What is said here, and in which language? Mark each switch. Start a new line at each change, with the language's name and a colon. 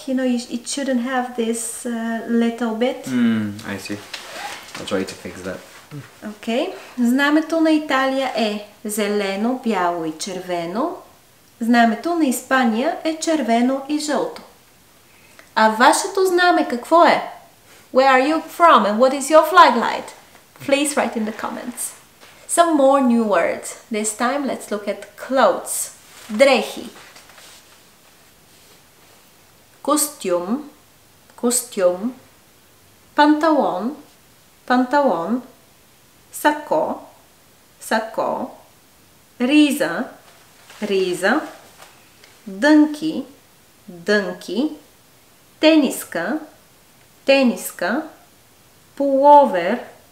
English: You know, it shouldn't have this little bit. I see. I'll try to fix that. Okay.
Bulgarian: Знамето на Италия е зелено, бяло и червено. Знамето на Испания е червено и жълто. А вашето знаме какво е?
English: Where are you from and what is your flag light? Please write in the comments. Some more new words. This time, let's look at clothes. Дрехи.
Bulgarian: Костюм. Костюм. Панталон. Панталон. Сако. Сако. Риза. Риза. Дънки. Дънки. Тениска. Тениска. Пуловер.